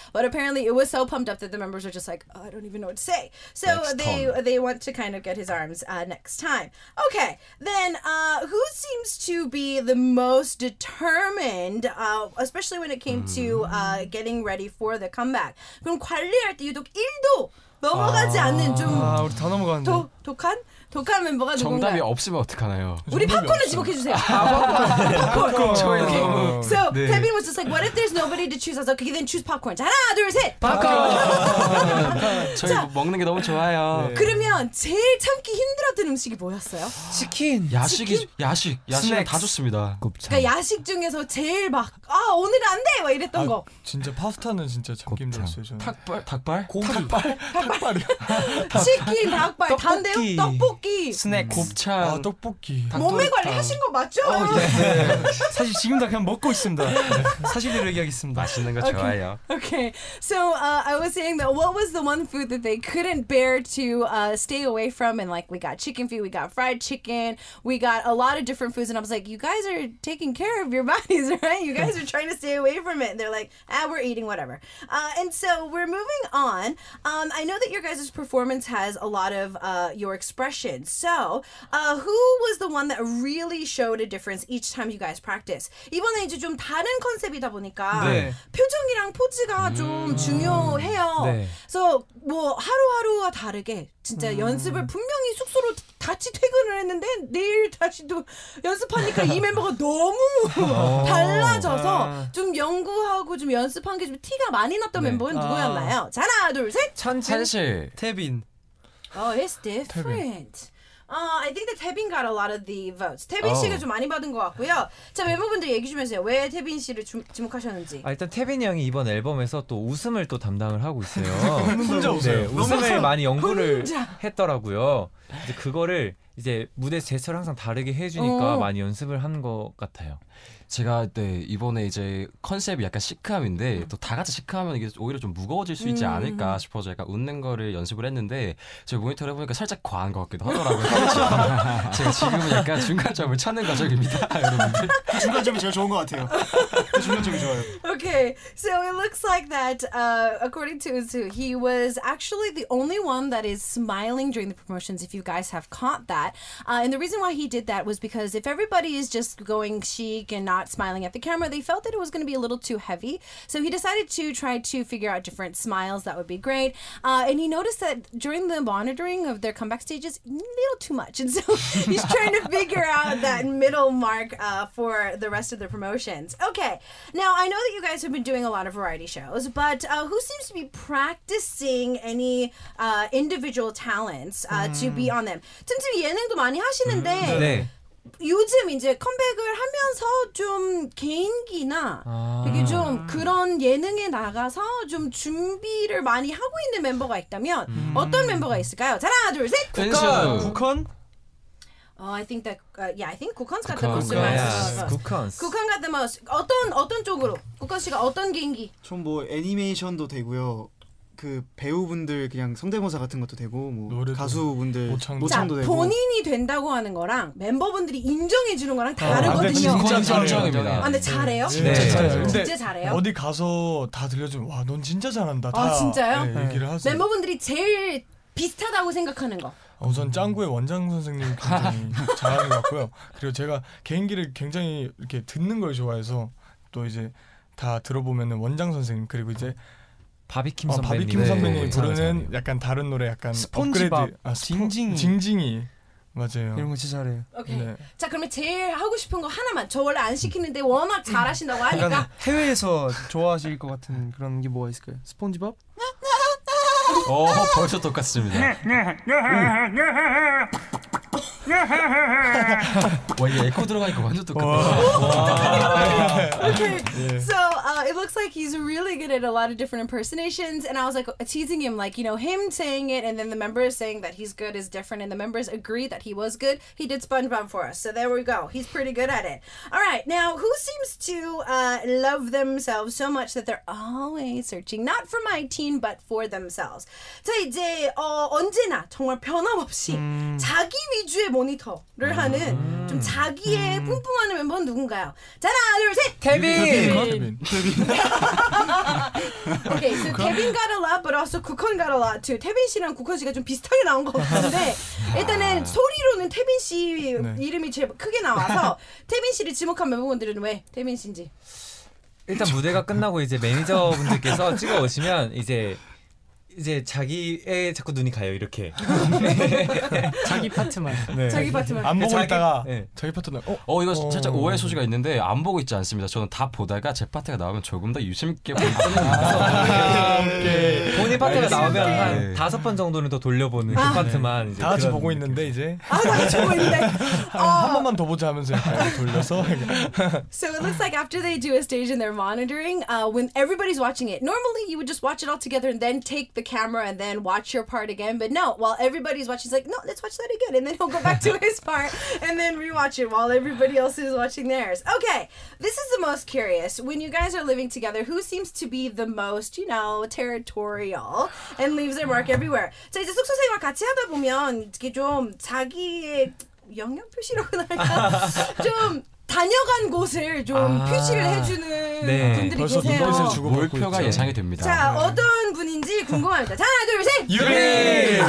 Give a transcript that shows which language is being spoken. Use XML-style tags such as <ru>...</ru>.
<en>But apparently it was so pumped up that the members are just like, oh, I don't even know what to say. So they want to kind of get his arms next time. Okay, then who seems to be the most determined, especially when it came to getting ready for the comeback?</en> <ko>그럼 관리할 때 유독 1도 넘어가지 않는 좀 아, 우리 다 넘어갔네. 독한? 독한 멤버가 누군가요? 정답이 없으면 어떡하나요? 우리 팝콘을 지목해주세요. 팝콘! 저희 너무...</ko> <en>So, 네. Pepin was just like, what if there's nobody to choose us? Okay, then choose popcorn.</en> <ko>자, 하나, 둘, 셋! 팝콘! 저희 자, 먹는 게 너무 좋아요. 네. 그러면 제일 참기 힘들었던 음식이 뭐였어요? 치킨! 야식이... 치킨? 야식! 야식은 다 좋습니다. 곱창. 그러니까 야식 중에서 제일 막, 아, 오늘은 안 돼! 막 이랬던 아, 거. 진짜 파스타는 진짜 참기 힘들었어요, 저는. 닭발? 닭발? 고기. 닭발? 닭발이요? 치킨, 닭발, 단대요? 떡볶이! 스낵 곱창 아 떡볶이 몸매 관리하신 거 맞죠? 어, 네. 사실 지금 다 그냥 먹고 있습니다. 사실대로 얘기하겠습니다. 맛있는 거 좋아요.</ko> <en>Okay. So I was saying that what was the one food that they couldn't bear to stay away from and like we got chicken feet, we got fried chicken, we got a lot of different foods and I was like you guys are taking care of your bodies, right? You guys are trying to stay away from it. And they're like, "Ah, we're eating whatever." And so we're moving on. I know that your guys' performance has a lot of your expression. So, who was the one that really showed a difference each time you guys practice?</en> <ko>이번에 이제 좀 다른 컨셉이다 보니까 네. 표정이랑 포즈가 좀 중요해요. 네. So, 뭐 하루하루와 다르게 진짜 연습을 분명히 숙소로 같이 퇴근을 했는데 내일 다시 또 연습하니까 이 멤버가 너무 달라져서 좀 연구하고 좀 연습한 게 좀 티가 많이 났던 네. 멤버는 누구였나요? 자, 하나, 둘, 셋! 천진, 한실, 태빈.</ko> <en>Oh, it's different. I think that Taebin got a lot of the votes.</en> <ko>Taebin 씨가 좀 많이 받은 것 같고요. 자, 멤버분들 얘기 좀 해주세요. 왜 Taebin 씨를 지목하셨는지. 아, 일단 Taebin 형이 이번 앨범에서 또 웃음을 또 담당을 하고 있어요. 혼자 웃어요. 네, 웃음을 많이 연구를 혼자. 했더라고요. 이제 그거를 이제 무대 제스처를 항상 다르게 해주니까 많이 연습을 한 것 같아요. 제가 네, 이번에 이제 컨셉이 약간 시크함인데 또 다 같이 시크하면 이게 오히려 좀 무거워질 수 있지 않을까 싶어서 약간 웃는 거를 연습을 했는데 제가 모니터를 해보니까 살짝 과한 것 같기도 하더라고요. 제가 지금은 약간 중간점을 찾는 과정입니다. 여러분들. 그 중간점이 제일 좋은 것 같아요. 그 중간점이 좋아요.</ko> <en>Okay, so it looks like that according to Uzu, he was actually the only one that is smiling during the promotions if you guys have caught that. And the reason why he did that was because if everybody is just going chic and not smiling at the camera, they felt that it was going to be a little too heavy. So he decided to try to figure out different smiles that would be great. And he noticed that during the monitoring of their comeback stages, a little too much. And so he's trying to figure out that middle mark for the rest of the promotions. Okay. Now, I know that you guys have been doing a lot of variety shows, but who seems to be practicing any individual talents to be on them?</en> <ko>틈틈이 예능도 많이 하시는데 네. 요즘 이제 컴백을 하면서 좀 개인기나 되게 좀 그런 예능에 나가서 좀 준비를 많이 하고 있는 멤버가 있다면 어떤 멤버가 있을까요? 자, 하나, 둘, 셋! 국헌! 국헌?</ko> <en>Oh, I think that, yeah, I think 국헌's got the most of my vote.</en> <ko>국헌</ko> <en>got the most.</en> <ko>어떤 쪽으로? 국헌 씨가 어떤 개인기? 전 뭐 애니메이션도 되고요. 그 배우분들 그냥 성대모사 같은 것도 되고 뭐 가수분들 모창도 되고 본인이 된다고 하는 거랑 멤버분들이 인정해 주는 거랑 다르거든요. 아, 근데 진짜 인정입니다. 아, 근데 잘해요? 네. 진짜 잘해요. 근데 진짜 잘해요. 어디 가서 다 들려주면 와, 넌 진짜 잘한다. 아, 진짜요? 네, 얘기를 하세요. 멤버분들이 제일 비슷하다고 생각하는 거. 우선 짱구의 원장 선생님 굉장히 잘하는 것 같고요. 그리고 제가 개인기를 굉장히 이렇게 듣는 걸 좋아해서 또 이제 다 들어보면은 원장 선생님 그리고 이제 바비킴 선배님 부르는 잘하는. 약간 다른 노래 약간 스폰지밥 아, 징징이 맞아요. 이런 거 진짜 잘해요. 오케이. 네. 자 그러면 제일 하고 싶은 거 하나만. 저 원래 안 시키는데 워낙 잘하신다고 하니까 해외에서 좋아하실 것 같은 그런 게 뭐가 있을까요? 스폰지밥? 오 벌써 똑같습니다. 와 이게 에코 들어가니까 완전 똑같네. 오, 오, 오케이. 네. So</ko> <en>it looks like he's really good at a lot of different impersonations, and I was like teasing him, like, you know, him saying it and then the members saying that he's good is different, and the members agree that he was good. He did SpongeBob for us, so there we go. He's pretty good at it. All right, now who seems to love themselves so much that they're always searching, not for my teen, but for themselves?</en> <ko>자, 이제 언제나 정말 변함없이 자기 위주의 모니터를 하는 좀 자기의 뿜뿜하는 멤버는 누군가요? 자, 하나, 둘, 셋! 태빈!</ko> <en>Okay, so 국헌? Tevin got a lot, but also 국헌 got a lot too.</en> <ko>태빈 씨랑 국헌 씨가 좀 비슷하게 나온 것 같은데 일단은 소리로는 태빈 씨 네. 이름이 제일 크게 나와서 태빈 씨를 지목한 멤버분들은 왜 태빈 씨인지? 일단 무대가 끝나고 이제 매니저분들께서 찍어 오시면 이제 자기에 자꾸 눈이 가요 이렇게 자기 파트만 네. 자기 파트만 안 보고 있다가 네. 자기 파트만 이거 살짝 오해 소지가 있는데 안 보고 있지 않습니다. 저는 다 보다가 제 파트가 나오면 조금 더 유심 있게 보는 편입니다. 본인 파트가 나오면 한 네. 다섯 번 정도는 더 돌려보는 그 파트만 네. 이제 다 같이 보고 있는데 이제 아 다 같이 보고 있는데 한 번만 더 보자 하면서 돌려서</ko> <en>So it looks like after they do a stage and they're monitoring when everybody's watching it, normally you would just watch it all together and then take the camera and then watch your part again, but no, while everybody's watching, he's like, no, let's watch that again, and then he'll go back to his part and then rewatch it while everybody else is watching theirs. Okay, this is the most curious. When you guys are living together, who seems to be the most, you know, territorial and leaves their mark everywhere?</en> <ko>자, 이제 숙소 생활 같이 하다 보면 이게 좀 자기의 영역 표시라고 할까? 좀 다녀간 곳을 좀 표시를 해주는 네. 분들이 계세요. 벌써 주고 목표가 예상이 됩니다. 자, 네. 어떤 분인지 궁금합니다. 자, 하나, 둘, 셋!</ko>